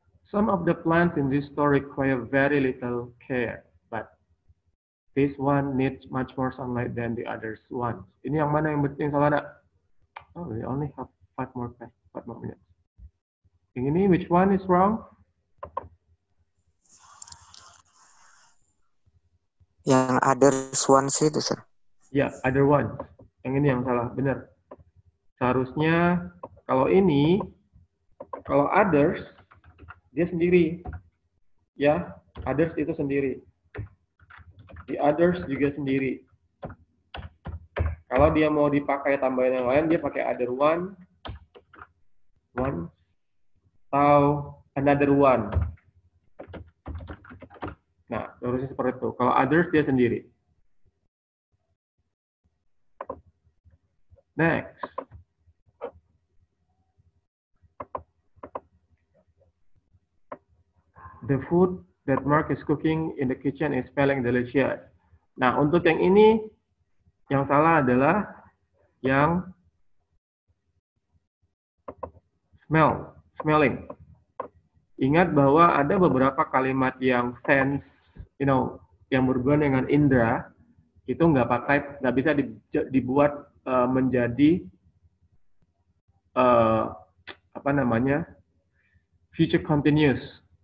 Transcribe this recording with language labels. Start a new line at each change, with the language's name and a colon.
English: Some of the plants in this store require very little care, but this one needs much more sunlight than the others ones.
Indonesian: Ini yang mana yang salah ada?
English: Oh, we only have five more minutes.
Indonesian: Yang ini,
English: which one is wrong?
Indonesian: Yang others ones itu, sir.
English: Ya, yeah, other ones.
Indonesian: Yang ini yang salah, benar. Seharusnya, kalau ini, kalau others, dia sendiri, ya, others itu sendiri. The others juga sendiri. Kalau dia mau dipakai tambahan yang lain, dia pakai other one, one, atau another one. Nah, seharusnya seperti itu. Kalau others, dia sendiri.
English: Next. The food that Mark is cooking in the kitchen is smelling delicious.
Indonesian: Nah, untuk yang ini, yang salah adalah yang smelling. Ingat bahwa ada beberapa kalimat yang sense,
English: you know,
Indonesian: yang berhubungan dengan indera, itu nggak pakai, nggak bisa dibuat menjadi apa namanya future continuous.